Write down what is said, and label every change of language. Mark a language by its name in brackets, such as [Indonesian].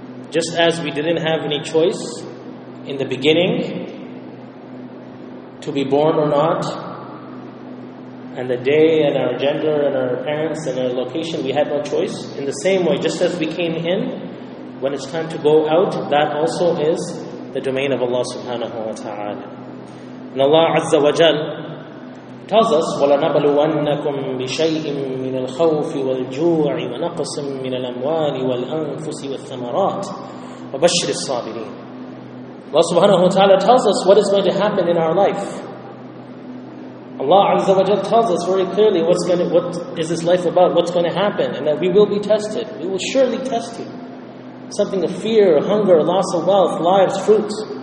[English] Just as we didn't have any choice in the beginning to be born or not, and the day and our gender and our parents and our location, we had no choice. In the same way, just as we came in, When it's time to go out, that also is the domain of Allah subhanahu wa ta'ala. [Arabic] And Allah Azza wa Jal tells us, وَلَنَبْلُوَنَّكُمْ بِشَيْءٍ مِّنَ الْخَوْفِ وَالْجُوعِ وَنَقْصٍ مِّنَ الْأَمْوَالِ وَالْأَنفُسِ وَالثَّمَرَاتِ وَبَشِّرِ الصَّابِرِينَ. [English] Allah subhanahu wa ta'ala tells us what is going to happen in our life. Allah Azza wa Jal tells us very clearly what is this life about, what's going to happen, and that we will be tested. We will surely test you. Something of fear, hunger, loss of wealth, lives, fruits.